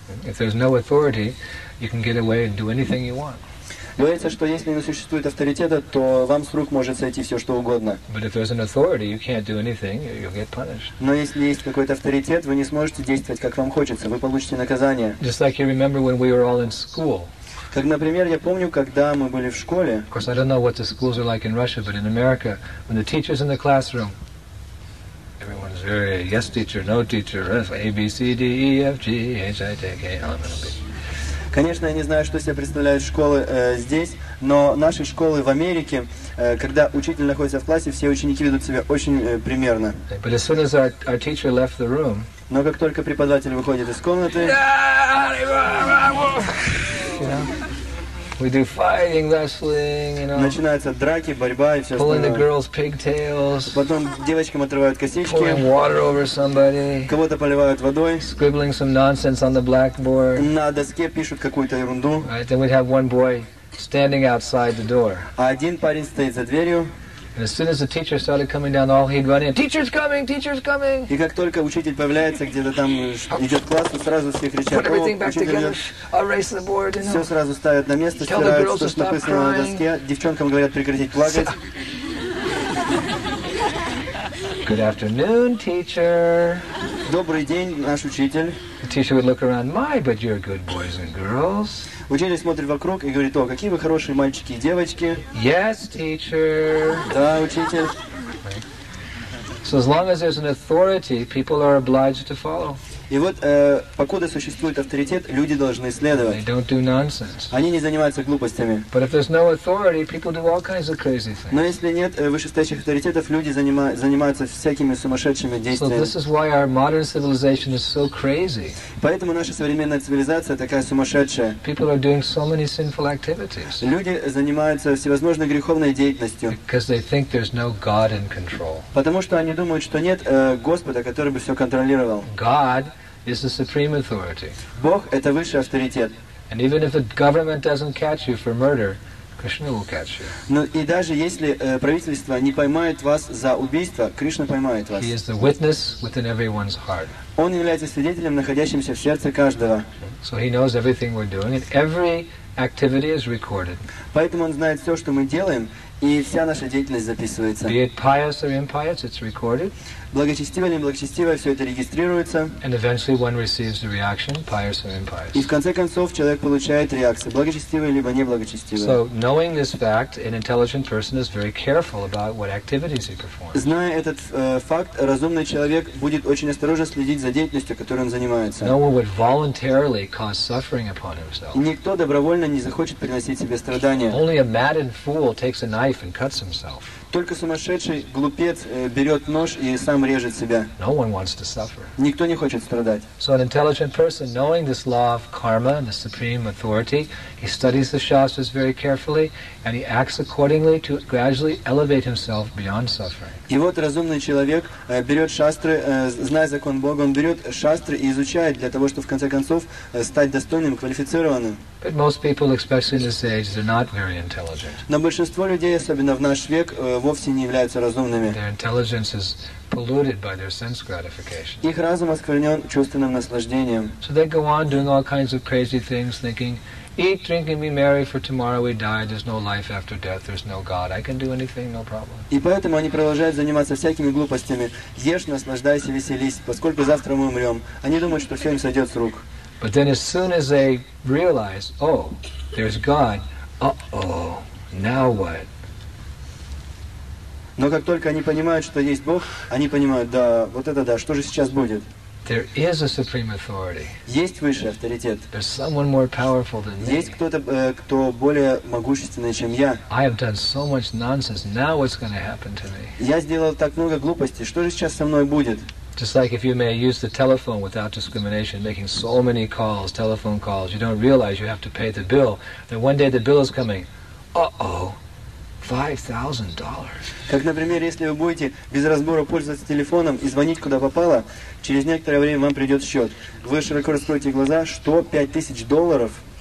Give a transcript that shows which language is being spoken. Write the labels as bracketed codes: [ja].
[en] If there's no authority, you can get away and do anything you want. [ru] Говорится, что если не существует авторитета, то вам с рук может сойти все, что угодно. [en] But if there's an authority, you can't do anything, you'll get punished. [ru] Но если есть какой-то авторитет, вы не сможете действовать, как вам хочется, вы получите наказание. [en] Just like you remember when we were all in school. [ru] Как, например, я помню, когда мы были в школе. [en] Of course, I don't know what the schools are like in Russia, but in America, when the teacher's in the classroom, everyone's very, yes teacher, no teacher, A, B, C, D, E, F, G, H, I, J, K, L, M, N, O, P. [ru] Конечно, я не знаю, что себе представляют школы здесь, но наши школы в Америке, когда учитель находится в классе, все ученики ведут себя очень примерно. [en] But as soon as our teacher left the room, [ru] но как только преподаватель выходит из комнаты, [en] we do fighting, wrestling, you know. [ru] Начинаются драки, борьба и все остальное. [en] Pulling the girls' pigtails. [ru] Потом девочкам отрывают косички. [en] Pouring water over somebody. [ru] Кого-то поливают водой. [en] Scribbling some nonsense on the blackboard. [ru] На доске пишут какую-то ерунду. [en] Right, then we'd have one boy standing outside the door. [ru] А один парень стоит за дверью. [en] And as soon as the teacher started coming down, all he'd run in. Teacher's coming! Teacher's coming! [ru] И как только учитель появляется где-то там, идет класс, он сразу все кричат. [en] Put everything back together. Erase the board. You know. [ru] Все сразу ставят на место, стирают, что написано на доске. Девчонкам говорят прекратить плакать. [en] Good afternoon, teacher. [ru] Добрый день, наш учитель. [en] The teacher would look around. My, but you're good boys and girls. [ru] Учитель смотрит вокруг и говорит: «О, какие вы хорошие мальчики и девочки!» [en] Yes, teacher. [ru] Да, учитель. [en] So as long as there's an authority, people are obliged to follow. [ru] И вот, покуда существует авторитет, люди должны следовать. [en] They don't do nonsense. [ru] Они не занимаются глупостями. [en] But if there's no authority, people do all kinds of crazy things. [ru] Но если нет вышестоящих авторитетов, люди занимаются всякими сумасшедшими действиями. [en] So this is why our modern civilization is so crazy. [ru] Поэтому наша современная цивилизация такая сумасшедшая. [en] People are doing so many sinful activities. [ru] Люди занимаются всевозможной греховной деятельностью. [en] Because they think there's no God in control. [ru] Потому что они думают, что нет Господа, который бы все контролировал. [en] God is the supreme authority. [ru] Бог — это высший авторитет. [en] And even if the government doesn't catch you for murder, Krishna will catch you. [ru] Но и даже если правительство не поймает вас за убийство, Кришна поймает вас. [en] He is the witness within everyone's heart. [ru] Он является свидетелем, находящимся в сердце каждого. [en] So he knows everything we're doing, and every activity is recorded. [ru] Поэтому он знает все, что мы делаем, и вся наша деятельность записывается. [en] Be it pious or impious, it's recorded. [ru] Благочестиво или неблагочестиво, все это регистрируется. [en] And eventually one receives the reaction, pious or impious. [ru] И в конце концов человек получает реакцию, благочестивый либо неблагочестивый. [en] So knowing this fact, an intelligent person is very careful about what activities he performs. [ru] Зная этот факт, разумный человек будет очень осторожно следить за деятельностью, которой он занимается. [en] No one would voluntarily cause suffering upon himself. [ru] Никто добровольно не захочет приносить себе страдания. [en] Only a maddened fool takes a knife and cuts himself. [ru] Только сумасшедший глупец берет нож и сам режет себя. [en] No one wants to suffer. [ru] Никто не хочет страдать. [en] So an intelligent person, knowing this law of karma and the supreme authority, he studies the shastras very carefully and he acts accordingly to gradually elevate himself beyond suffering. [ru] И вот разумный человек берет шастры, зная закон Бога, он берет шастры и изучает для того, чтобы в конце концов стать достойным, квалифицированным. [en] But most people, especially in this age, they're not very intelligent. [ru] Но большинство людей, особенно в наш век, вовсе не являются разумными. [en] Their intelligence is polluted by their sense gratification. [ru] Их разум осквернен чувственным наслаждением. [en] So they go on doing all kinds of crazy things, thinking, eat, drink, and be merry, for tomorrow we die. There's no life after death. There's no God. I can do anything, no problem. [ru] И поэтому они продолжают заниматься всякими глупостями. Ешь, наслаждайся, веселись, поскольку завтра мы умрем. Они думают, что все им сойдет с рук. [en] But then as soon as they realize, oh, there's God, now what? [ru] Но как только они понимают, что есть Бог, они понимают, да, вот это да, что же сейчас будет? [en] There is a supreme authority. [ru] Есть высший авторитет. [en] There's someone more powerful than me. [ru] Есть кто-то, кто более могущественный, чем я. [en] I have done so much nonsense, now what's going to happen to me? [ru] Я сделал так много глупостей, что же сейчас со мной будет? [en] Just like if you may use the telephone without discrimination, making so many calls, telephone calls, you don't realize you have to pay the bill, then one day the bill is coming. Uh-oh, $5,000. [ru] Как, например, если вы будете без разбора пользоваться телефоном и звонить куда попало, через некоторое время вам придет счет. Вы широко раскроете глаза, что $5,000.